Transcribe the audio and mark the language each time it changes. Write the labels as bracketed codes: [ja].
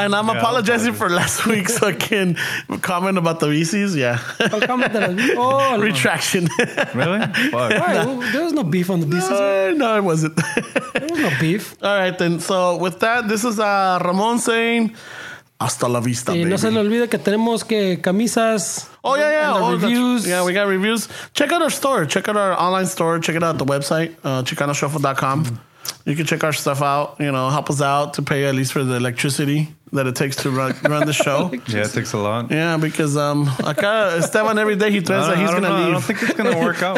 [en] And I'm apologizing for last week's fucking comment about the VCs. Yeah. Retraction. Really? Why? There was no beef on the VCs. No, it wasn't. There was no beef. All right, then. So with that, this is Ramon saying, hasta la vista, baby. [es] No se le olvide que tenemos que camisas. [en] Oh, yeah, yeah. And reviews. Yeah, we got reviews. Check out our store. Check out our online store. Check it out at the website, chicanoshuffle.com. You can check our stuff out. You know, help us out to pay at least for the electricity. that it takes to run the show. Yeah, it takes a lot. Yeah, because Esteban every day he threatens that he's gonna leave. I don't think it's gonna work out.